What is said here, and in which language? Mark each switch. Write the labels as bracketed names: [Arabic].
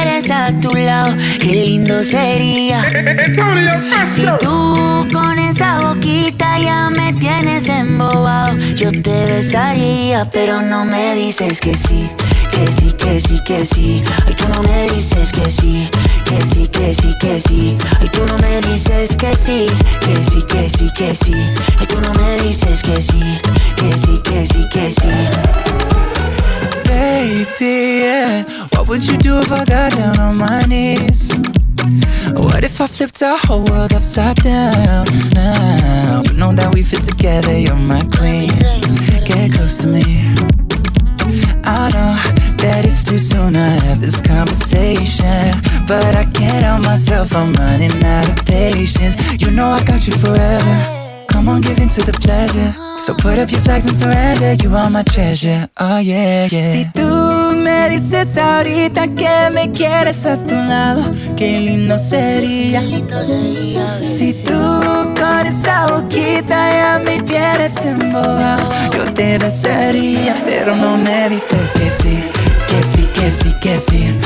[Spanish] A tu lado, qué lindo sería. Si tú con esa boquita ya me tienes embobado, yo te besaría, pero no me dices que sí, que sí, que sí, que sí. Ay, tú no me dices que sí, que sí, que sí, que sí. Ay, tú no me dices que sí, que sí, que sí, que sí. Ay, tú no me dices que sí, que sí, que sí, que sí. [English] Baby, yeah. What would you do if I got down on my knees? What if I flipped our whole world upside down now? But know that we fit together, you're my queen. Get close to me. I know that it's too soon to have this conversation, but I can't help myself, I'm running out of patience. You know I got you forever. Come on, give in to the pleasure. So put up your flags and surrender. You are my treasure. Oh yeah, yeah. [Spanish] Si tú me dices ahorita que me quieres a tu lado, qué lindo sería. Si tú con esa boquita ya me tienes embobado, yo te besaría. Pero no me dices que sí, que sí, que sí, que sí.